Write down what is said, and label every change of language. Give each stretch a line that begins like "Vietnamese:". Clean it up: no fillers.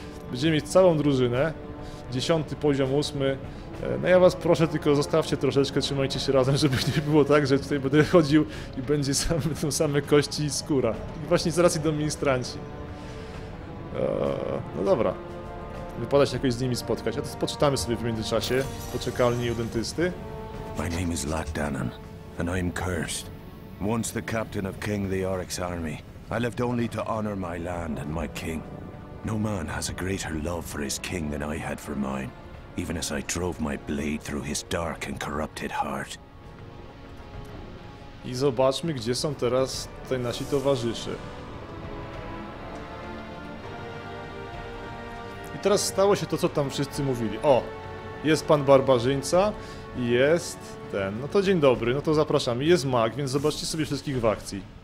Polish: Będziemy mieć całą drużynę. 10 poziom, 8. No ja was proszę, tylko zostawcie troszeczkę, trzymajcie się razem, żeby nie było tak, że tutaj będę chodził i będzie same kości i skóra. I właśnie zaraz idą ministranci. No dobra. Wypada się jakoś z nimi spotkać. A to poczytamy sobie w międzyczasie. Poczekalni u dentysty.
English: My name is Lak Danan, and I'm cursed. Once the captain of King the Oryx army, I lived only to honor my land and my king. No man has a greater love for his king than I had for mine, even as I drove my blade through his dark and corrupted heart.
Polish: I zobaczmy, gdzie są teraz te nasi towarzysze. I teraz stało się to, co tam wszyscy mówili. O, jest pan barbarzyńca. Jest ten. No to dzień dobry, no to zapraszam. Jest mag, więc zobaczcie sobie wszystkich w akcji.